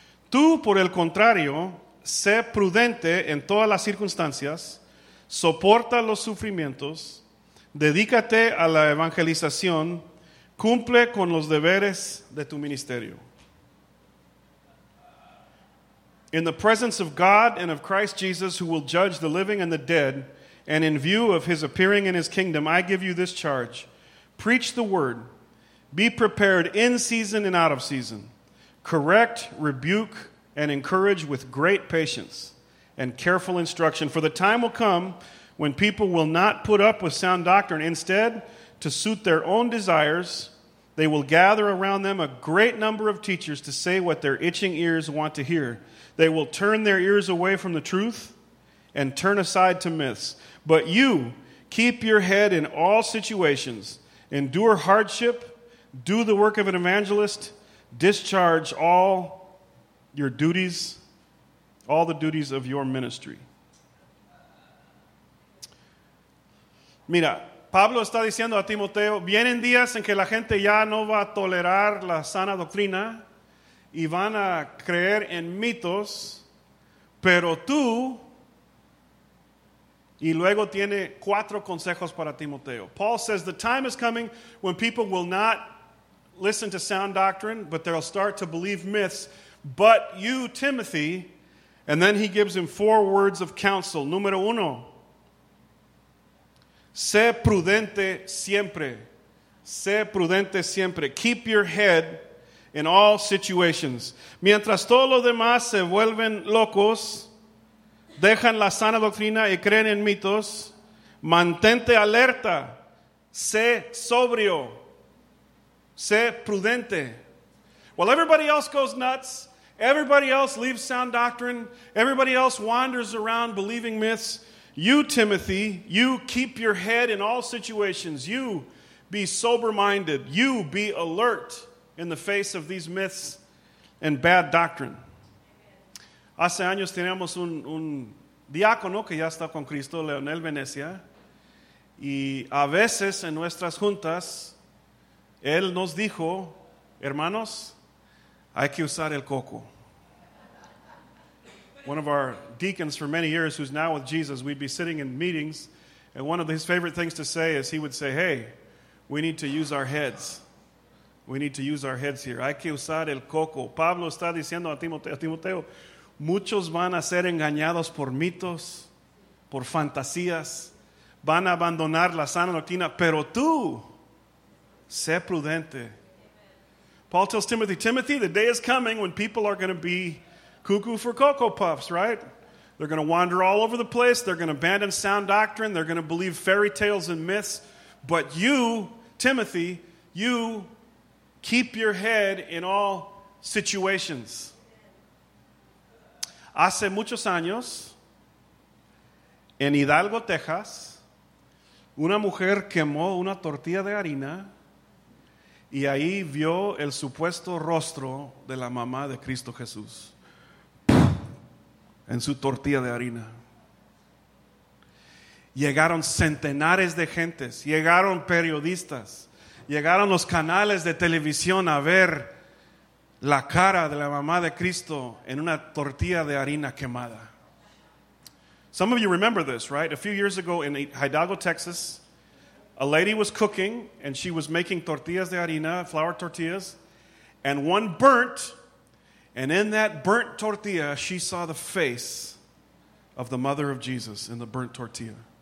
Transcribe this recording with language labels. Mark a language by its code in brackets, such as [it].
[es] Tú, por el contrario, sé prudente en todas las circunstancias, soporta los sufrimientos, dedícate a la evangelización, cumple con los deberes de tu ministerio. [en] In the presence of God and of Christ Jesus, who will judge the living and the dead, and in view of his appearing in his kingdom, I give you this charge. Preach the word. Be prepared in season and out of season. Correct, rebuke, and encourage with great patience and careful instruction. For the time will come when people will not put up with sound doctrine. Instead, to suit their own desires, they will gather around them a great number of teachers to say what their itching ears want to hear. They will turn their ears away from the truth and turn aside to myths. But you, keep your head in all situations, endure hardship, do the work of an evangelist, discharge all your duties, all the duties of your ministry. [es] Mira, Pablo está diciendo a Timoteo, vienen días en que la gente ya no va a tolerar la sana doctrina y van a creer en mitos, pero tú, y luego tiene cuatro consejos para Timoteo. [en] Paul says, the time is coming when people will not listen to sound doctrine, but they'll start to believe myths. But you, Timothy, and then he gives him four words of counsel. [es] Número uno, sé prudente siempre. Sé prudente siempre. [en] Keep your head in all situations. [es] Mientras todos los demás se vuelven locos, dejan la sana doctrina y creen en mitos, mantente alerta. Sé sobrio. Sé prudente. [en] While everybody else goes nuts, everybody else leaves sound doctrine, everybody else wanders around believing myths, you, Timothy, you keep your head in all situations. You be sober-minded. You be alert in the face of these myths and bad doctrine. [es] Hace años teníamos un diácono que ya está con Cristo, Leonel Venecia, y a veces en nuestras juntas, él nos dijo, hermanos, hay que usar el coco. [en] One of our deacons for many years, who's now with Jesus, we'd be sitting in meetings, and one of his favorite things to say is he would say, hey, we need to use our heads. We need to use our heads here. [es] Hay que usar el coco. Pablo está diciendo a Timoteo, muchos van a ser engañados por mitos, por fantasías, van a abandonar la sana doctrina, pero tú, sé prudente. [en] Paul tells Timothy, Timothy, the day is coming when people are going to be cuckoo for Cocoa Puffs, right? They're going to wander all over the place. They're going to abandon sound doctrine. They're going to believe fairy tales and myths. But you, Timothy, you keep your head in all situations. [es] Hace muchos años, en Hidalgo, Texas, una mujer quemó una tortilla de harina y ahí vio el supuesto rostro de la mamá de Cristo Jesús en su tortilla de harina. Llegaron centenares de gentes, llegaron periodistas, llegaron los canales de televisión a ver la cara de la mamá de Cristo en una tortilla de harina quemada. [en] Some of you remember this, right? A few years ago in Hidalgo, Texas, a lady was cooking and she was making tortillas de harina, flour tortillas, and one burnt, and in that burnt tortilla, she saw the face of the mother of Jesus in the burnt tortilla.